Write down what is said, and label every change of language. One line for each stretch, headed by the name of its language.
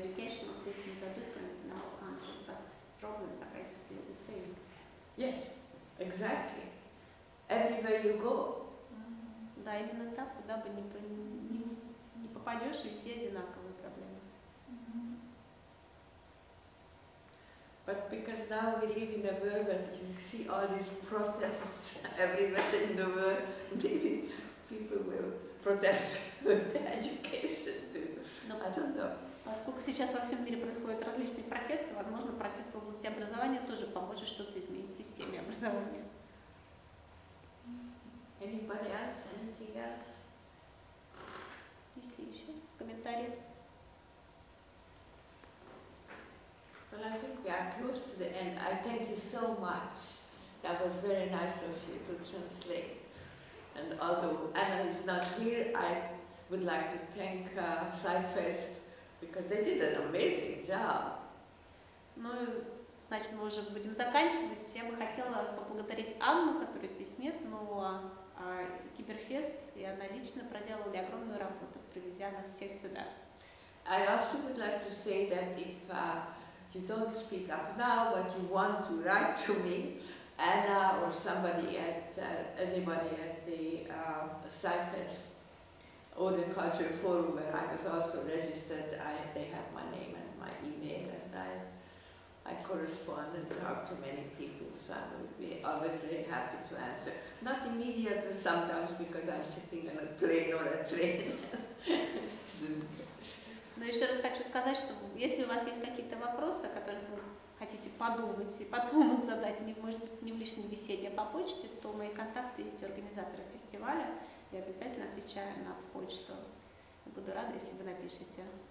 English: systems are different in our countries, but problems are basically the same. Yes, exactly. Everywhere you go.
Russian: Да, именно так, куда бы не попадешь, везде одинаковые проблемы.
English: But because now we live in a world that you see all these protests everywhere in the world, maybe people will protest with the education too. I don't know.
Russian: Поскольку сейчас во всем мире происходят различные протесты, возможно, протест в области образования тоже поможет что-то изменить в системе образования.
English: Anybody else? Anything else?
Russian: Есть ли еще комментарии?
English: Well, I think we are close to the end. I thank you so much. That was very nice of you to translate. And although Anna is not here, I would like to thank CYFEST, because they did an amazing job.
Russian: Ну, значит, мы уже будем заканчивать. Я бы хотела поблагодарить Анну, которой здесь нет, но CYFEST, и она лично проделала огромную работу, привезя нас всех сюда.
English: I also would like to say that if you don't speak up now, but you want to write to me, Anna or somebody at anybody at the CYFEST or the Culture Forum where I was also registered, they have my name and my email, and I correspond and talk to many people, so I would be always very happy to answer. Not immediately sometimes because I'm sitting on a plane or a train.
Russian: Но еще раз хочу сказать, что если у вас есть какие-то вопросы, о которых вы хотите подумать и потом задать, может быть, не в личной беседе, а по почте, то мои контакты есть у организатора фестиваля. Я обязательно отвечаю на почту. Я буду рада, если вы напишете.